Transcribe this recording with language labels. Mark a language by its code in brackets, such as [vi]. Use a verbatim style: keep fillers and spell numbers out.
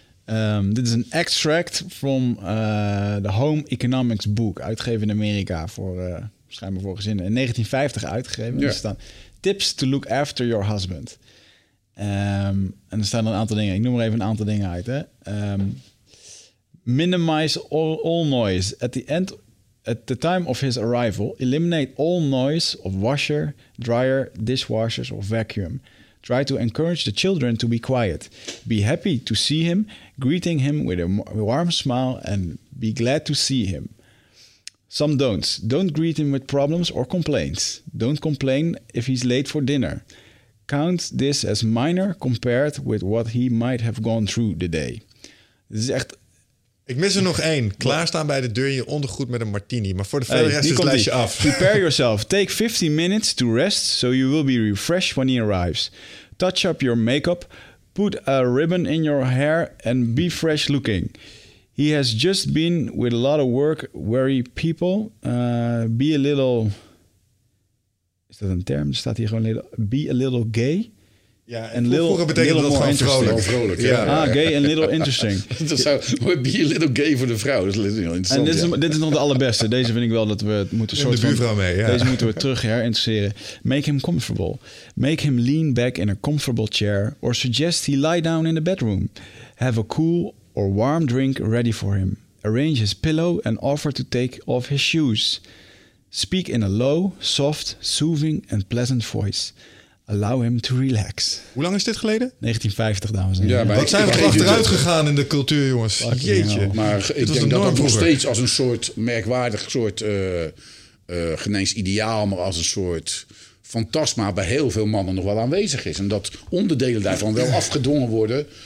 [nl] Um, dit is een [en] extract from [nl] uh, the Home Economics Book... uitgegeven in Amerika, voor, uh, schijnbaar voor gezinnen. In negentien vijftig uitgegeven. Ja. Er staan tips [en] to look after your husband. [nl] Um, en er staan een aantal dingen. Ik noem er even een aantal dingen uit, hè. [en] Um, Minimize all, all noise at the end, at the time of his arrival. Eliminate all noise of washer, dryer, dishwashers or vacuum. Try to encourage the children to be quiet. Be happy to see him, greeting him with a warm smile and be glad to see him. Some don'ts. Don't greet him with problems or complaints. Don't complain if he's late for dinner. Count this as minor compared with what he might have gone through the day. [nl] Dit is echt... Ik mis er nog één. Klaarstaan bij de deur in je ondergoed met een martini. Maar voor de verder hey, rest is het lijstje die. af. [en] Prepare yourself. Take fifteen minutes to rest so you will be refreshed when he arrives. Touch up your makeup. Put a ribbon in your hair and be fresh looking. He has just been with a lot of work, weary people. [nl] Uh, [en] be a little... [nl] Is dat een term? Er staat hier gewoon little... [en] Be a little gay. [nl] Ja, en vroeger betekende dat gewoon vrolijk. vrolijk ja. Ja. Ah, gay en little interesting. Dat zou, [en] be a little gay [nl] voor de vrouw. Dat is heel interessant. En dit is, ja. dit is nog de allerbeste. Deze vind ik wel dat we het moeten soort de buurvrouw van, mee, ja. Deze moeten we terug herinteresseren. [en] Make him comfortable. Make him lean back in a comfortable chair. Or suggest he lie down in the bedroom. Have a cool or warm drink ready for him. Arrange his pillow and offer to take off his shoes. Speak in a low, soft, soothing and pleasant voice. Allow him to relax. [nl] Hoe lang is dit geleden? negentien vijftig, dames en heren. Ja, maar wat zijn we er achteruit gegaan in de cultuur, jongens? Fuck Jeetje. [en] No. [nl] Maar dit ik denk dat dat nog steeds als een soort merkwaardig soort... Uh, uh, geneens ideaal, maar als een soort... fantasma bij heel veel mannen nog wel aanwezig is. En dat onderdelen daarvan wel afgedwongen worden.